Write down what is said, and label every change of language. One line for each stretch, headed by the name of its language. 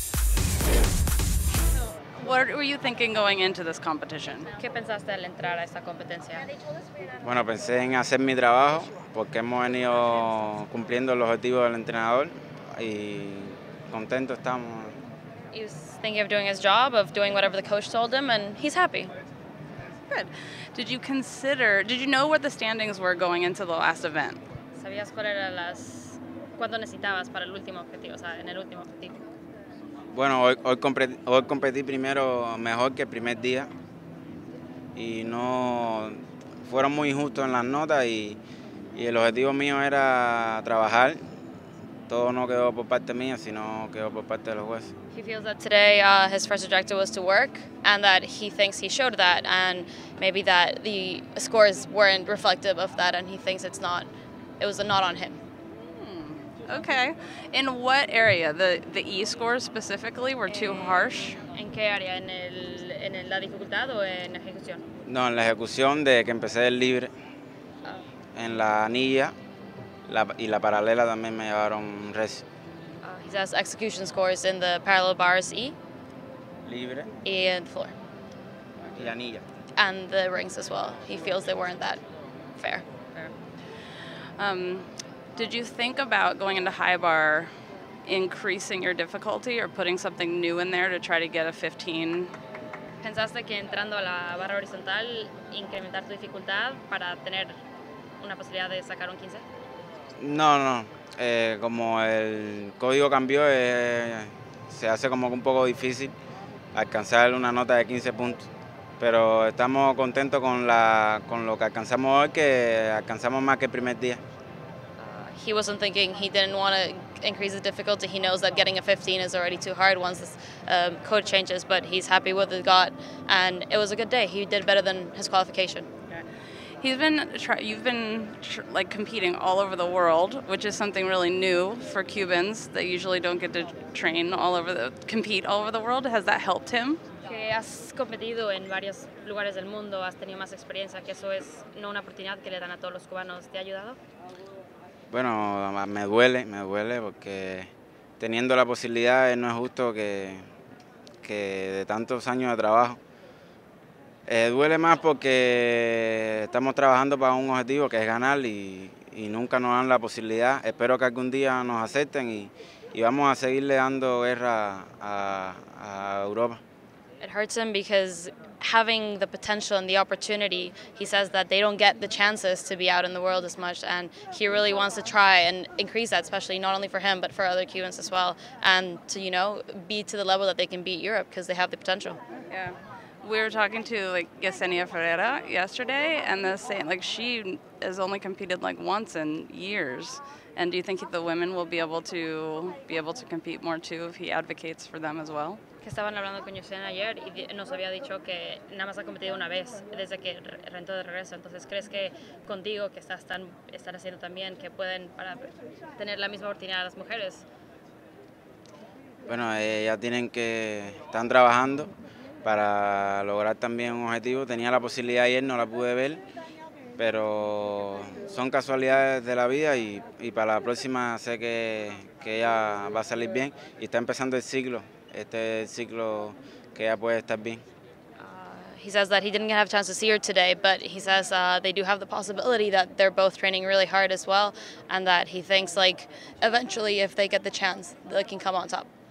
English: What were you thinking going into this competition?
Spanish: ¿Qué pensaste al entrar a esta competencia? Bueno, pensé en hacer mi trabajo porque hemos venido cumpliendo los objetivos del entrenador y contentos estamos.
English: He was thinking of doing his job, of doing whatever the coach told him, and he's happy. Good. Did you consider, did you know what the standings were going into the last event?
Spanish: ¿Sabías cuál era las, cuánto necesitabas para el último objetivo, o sea, en el último objetivo? Bueno, hoy competí primero mejor que el primer día y no fueron muy justos en las notas y el objetivo mío era trabajar. Todo no quedó por parte mía, sino quedó por parte de los jueces.
English: He feels that today his first objective was to work and that he thinks he showed that and maybe that the scores weren't reflective of that and he thinks it's not, it was not on him. Okay. In what area? The E scores specifically were too harsh?
Spanish: ¿En qué área? ¿En la dificultad o en la ejecución? No, en la ejecución de que empecé el libre. Oh. En la anilla la, y la paralela también me llevaron recio.
English: He says execution scores in the parallel bars E.
Spanish: Libre. Y en
English: the floor.
Spanish: Y anilla.
English: And the rings as well. He feels they weren't that fair. Fair. Did you think about going into high bar, increasing your difficulty or putting something new in there to try to get a 15?
Spanish: ¿Pensaste que entrando a la barra horizontal incrementar tu dificultad para tener una posibilidad de sacar un 15? No, no. Como el código cambió, se hace como un poco difícil alcanzar una nota de 15 puntos. Pero estamos contentos con lo que alcanzamos hoy, que alcanzamos más que el primer día.
English: He wasn't thinking, he didn't want to increase the difficulty. He knows that getting a 15 is already too hard once this code changes, but he's happy with what he got, and it was a good day. He did better than his qualification. Okay. He's been you've been competing all over the world, which is something really new for Cubans that usually don't get to train all over the, compete all over the world. Has that helped him?
Spanish: Que has competido en varios lugares del mundo, has tenido más experiencia, que eso es no una oportunidad que le dan a todos los cubanos. ¿Te ha ayudado? Bueno, me duele porque teniendo la posibilidad no es justo que de tantos años de trabajo. Duele más porque estamos trabajando para un objetivo que es ganar y nunca nos dan la posibilidad. Espero que algún día nos acepten y vamos a seguirle dando guerra a Europa.
English: It hurts him because having the potential and the opportunity, he says that they don't get the chances to be out in the world as much, and he really wants to try and increase that, especially not only for him, but for other Cubans as well, and to, you know, be to the level that they can beat Europe because they have the potential. Yeah. We were talking to, like, Yesenia Ferreira yesterday, and the same, like, she has only competed, like, once in years. And do you think the women will be able to compete more, too, if he advocates for them as well?
Spanish: Que estaban hablando con Yosena ayer y nos había dicho que nada más ha competido una vez desde que rentó de regreso. Entonces, ¿crees que contigo, que estás tan, están haciendo también, que pueden para tener la misma oportunidad a las mujeres? Bueno, ya tienen que, están trabajando para lograr también un objetivo. Tenía la posibilidad ayer, no la pude ver, pero son casualidades de la vida y para la próxima sé que ella va a salir bien y está empezando el ciclo. Este ciclo que ya puede estar bien.
English: He says that he didn't have a chance to see her today, but he says they do have the possibility that they're both training really hard as well, and that he thinks, like, eventually if they get the chance, they can come on top.